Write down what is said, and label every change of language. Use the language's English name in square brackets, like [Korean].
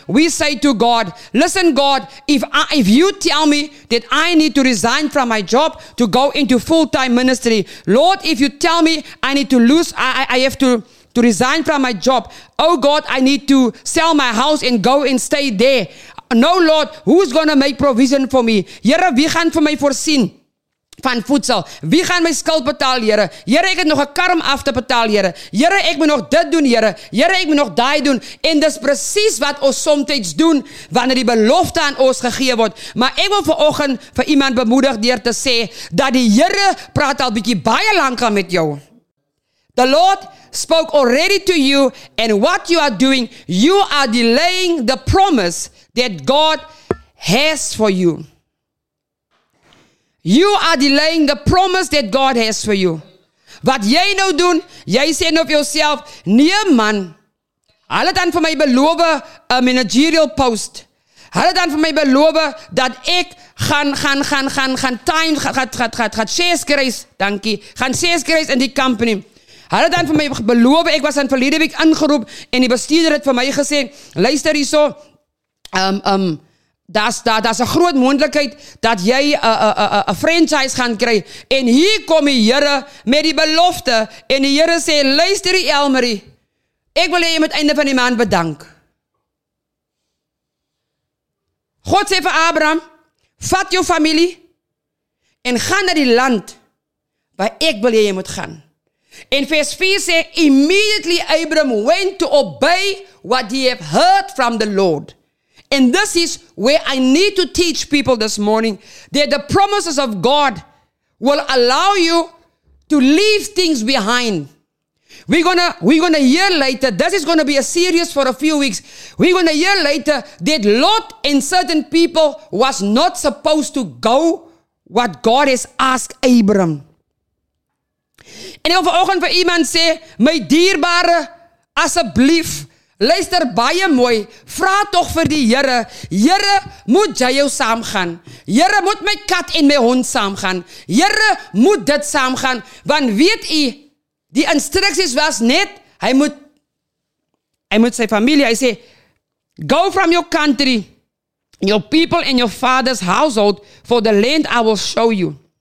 [English] We say to God, listen God, if you tell me that I need to resign from my job to go into full-time ministry. Lord, if you tell me I need to lose, I have to resign from my job. Oh God, I need to sell my house and go and stay there. No Lord, who's going to make provision for me? [Afrikaans] Here, wie gaan vir my voorsien? Van voedsel. Wie gaan my skuld betaal, Here? Here, ek het nog 'n karm af te betaal, Here. Here, ek moet nog dit doen, Here. Here, ek moet nog daai doen. En dis presies wat ons soms doen wanneer die belofte aan ons gegee word. Maar ek wil vanoggend vir iemand bemoedig deur te sê dat die Here praat al bietjie baie lank aan met jou. [English] The Lord spoke already to you, and what you are doing, you are delaying the promise that God has for you. You are delaying the promise that God has for you. [Afrikaans] Wat jy nou doen, jy sê nou vir jouself, nee man, hulle dan vir my beloof 'n managerial post. Hulle dan vir my beloof dat ek gaan shares kry in die company. Hulle dan vir my beloof, ek was in verlede week ingeroep en die bestuurder het vir my gesê, luister hierso, Dat is 'n groot moontlikheid dat jy 'n franchise gaan kry. En hier kom die Here met die belofte. En die Here sê, luister die Elmarie, ek wil jy met einde van die maand bedank. God sê vir Abraham, vat jou familie en ga na die land waar ek wil jy moet gaan. En vers 4 sê, [English] immediately Abraham went to obey what he have heard from the Lord. And this is where I need to teach people this morning that the promises of God will allow you to leave things behind. We're gonna hear later, this is gonna be a series for a few weeks. We're gonna hear later that Lot and certain people was not supposed to go what God has asked Abram. [Afrikaans] En ek wil vanoggend vir iemand sê, my dierbare, asseblief, luister baie mooi, vra toch vir die Here, Here, moet jy jou saam gaan? Here, moet my kat en my hond saam gaan? Here, moet dit saam gaan? Want weet u, die instructies was net, hy moet sy familie, hy sê, [English] go from your country, your people and your father's household, for the land I will show you.